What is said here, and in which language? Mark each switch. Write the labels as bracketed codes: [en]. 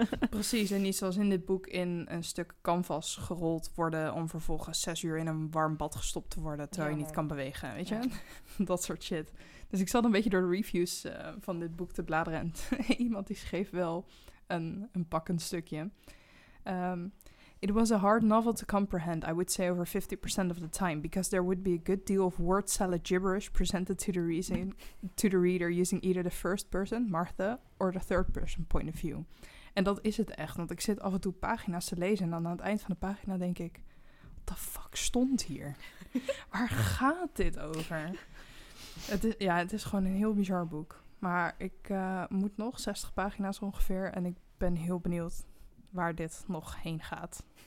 [nl] Precies, en niet zoals in dit boek in een stuk canvas gerold worden om vervolgens 6 uur in een warm bad gestopt te worden, terwijl je niet kan bewegen, weet je? Ja. Dat soort shit. Dus ik zat een beetje door de reviews van dit boek te bladeren. En iemand die schreef wel een pakkend stukje. [en] It was a hard novel to comprehend, I would say over 50% of the time. Because there would be a good deal of word salad gibberish presented to the reader using either the first person, Martha, or the third person point of view. [nl] En dat is het echt. Want ik zit af en toe pagina's te lezen. En dan aan het eind van de pagina denk ik, [en] what the fuck [nl] stond hier? Waar gaat dit over? Het is gewoon een heel bizar boek. Maar ik moet nog 60 pagina's ongeveer. En ik ben heel benieuwd waar dit nog heen gaat.